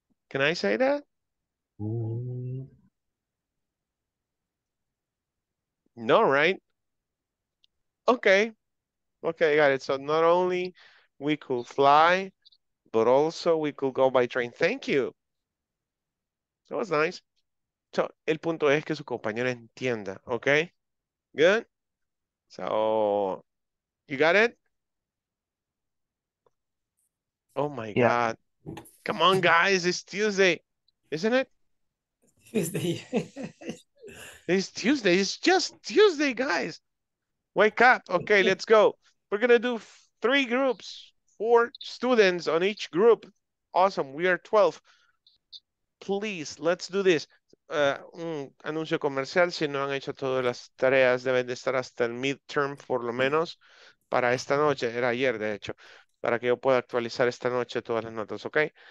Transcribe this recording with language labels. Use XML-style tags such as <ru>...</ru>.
<en>Can I say that? No, right? Okay, got it. So not only we could fly, but also we could go by train. Thank you. That was nice.</en> <es>So, el punto es que su compañero entienda, okay?</es> <en>Good? So, you got it? Oh my God. Come on, guys, it's Tuesday, isn't it? Tuesday. It's Tuesday, it's just Tuesday, guys. Wake up, okay, let's go. We're gonna do three groups, four students on each group. Awesome, we are 12. Please, let's do this.</en> <es>Un anuncio comercial, si no han hecho todas las tareas, deben de estar hasta el midterm, por lo menos, para esta noche, era ayer, de hecho, para que yo pueda actualizar esta noche todas las notas, ¿ok?</es>